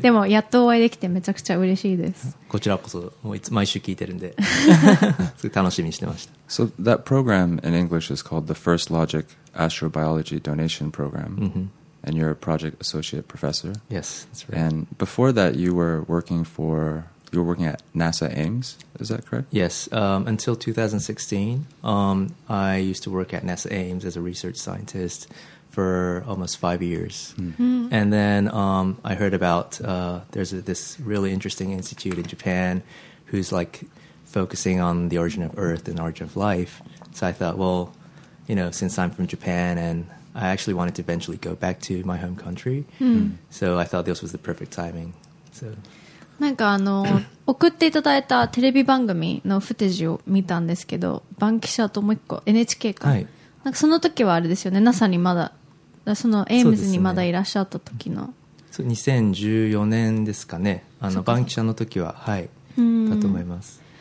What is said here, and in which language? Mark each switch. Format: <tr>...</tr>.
<ja>でもやっとお会いできてめちゃくちゃ嬉しいです。こちらこそ、もういつ毎週聞いてるんで。すごい楽しみにしてました。</ja> <en>So that program in English is called the First Logic Astrobiology Donation Program、mm-hmm. And you're a project associate professor. Yes, that's right. And before that you were working for you were working at NASA Ames, is that correct? Yes, until 2016, I used to work at NASA Ames as a research scientist for almost 5 years. Mm. Mm. And then I heard about, there's this really interesting institute in Japan who's like focusing on the origin of Earth and origin of life. So I thought, well, you know, since I'm from Japan and I actually wanted to eventually go back to my home country, mm. so I thought this was the perfect timing, so...</en> <ja>なんか送っていただいたテレビ番組のフテージを見たんですけど、バンキシャともう一個 NHK か、はい、なんかその時はあれですよね、 NASA にまだそのエイムズにまだいらっしゃった時の、そう、ね、そう2014年ですかね、バンキシャの時は、はい、だと思います。</ja>